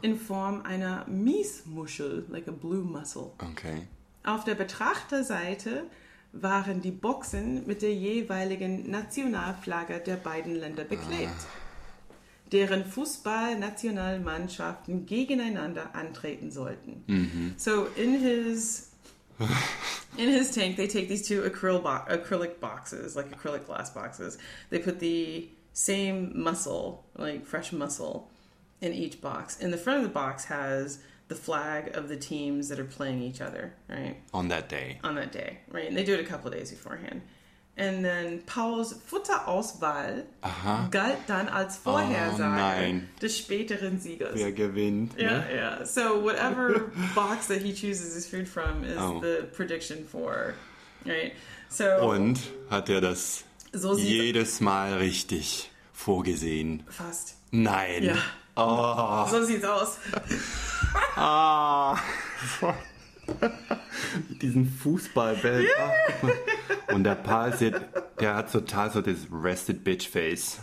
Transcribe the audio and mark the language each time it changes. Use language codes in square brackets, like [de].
[de] In Form einer Miesmuschel, [en] like a blue mussel. Okay. [de] Auf der Betrachterseite waren die Boxen mit der jeweiligen Nationalflagge der beiden Länder beklebt, deren Fußballnationalmannschaften gegeneinander antreten sollten. Mm-hmm. [en] So in his tank, they take these two acrylic boxes, like acrylic glass boxes. They put the same mussel, like fresh mussel, in each box. In the front of the box has the flag of the teams that are playing each other, right? On that day, right? And they do it a couple of days beforehand. And then [de] Paul's Futterauswahl galt dann als Vorhersage des späteren Siegers. Wer gewinnt? Yeah. [en] So whatever box that he chooses his food from is the prediction for, right? So. [de] Und hat das so jedes Mal richtig vorgesehen? Fast. Nein. Ja. Oh. So sieht's aus. Ah. Mit diesen Fußballbällen. Yeah. Und der Paul sieht, der hat total so das [en] rested bitch face.